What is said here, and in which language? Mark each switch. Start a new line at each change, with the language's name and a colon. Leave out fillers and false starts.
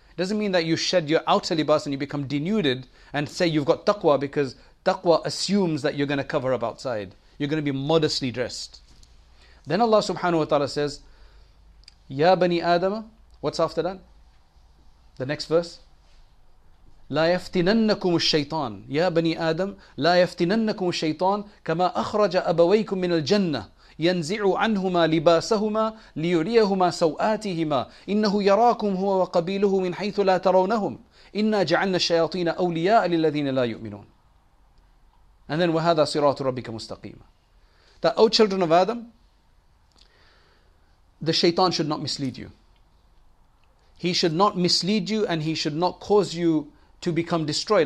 English: It doesn't mean that you shed your outer libas and you become denuded and say you've got taqwa, because taqwa assumes that you're going to cover up outside. You're going to be modestly dressed. Then Allah subhanahu wa ta'ala says,
Arabic: Ya Bani Adama,
English: what's after that? The next verse.
Arabic: لا يفتننكم الشيطان يا بني آدم لا يفتننكم الشيطان كما أخرج أبويكم من الجنة ينزع عنهما لباسهما ليريهما سوآتهما إنه يراكم هو وقبيله من حيث لا ترونهم إنا جعلنا الشياطين أولياء للذين لا يؤمنون.
English: And then
Arabic: وهذا صراط ربك مستقيما.
English: That, oh children of Adam, the shaitan should not mislead you. He should not mislead you and he should not cause you to become destroyed.